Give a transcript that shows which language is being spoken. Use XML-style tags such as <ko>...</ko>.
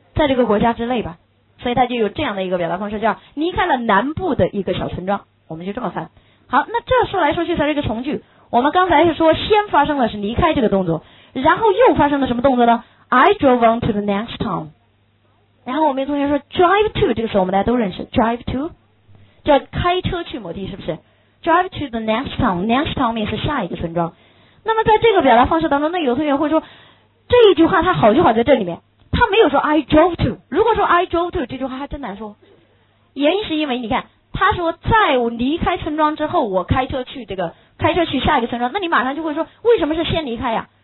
<zh>在这个国家之内吧，所以它就有这样的一个表达方式，叫离开了南部的一个小村庄，我们就这么翻。好，那这说来说去才是一个从句，我们刚才是说先发生的是离开这个动作，然后又发生了什么动作呢？</zh> <en>I drove on to the next town，</en> <zh>然后我们同学说 drive to， 这个时候我们大家都认识 drive to，叫开车去某地，是不是？</zh> <en>Drive to the next town， next town means</en> <zh>下一个村庄。那么在这个表达方式当中，那有同学会说这一句话它好就好在这里面，它没有说 I drove to， 如果说 I drove to， 这句话还真难说，原因是因为你看他说在我离开村庄之后，我开车去这个，开车去下一个村庄，那你马上就会说为什么是先离开呀？</zh>